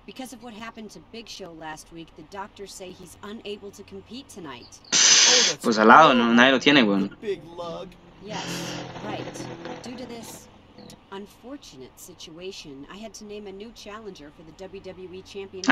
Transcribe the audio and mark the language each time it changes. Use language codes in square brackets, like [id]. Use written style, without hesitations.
[en] Because of what happened to Big Show last week, the doctors say he's unable to compete tonight. [es] Pues al lado, no, nadie lo tiene, weón. [en] Yes, right. Due to this unfortunate situation, I had to name a new challenger for the WWE Championship.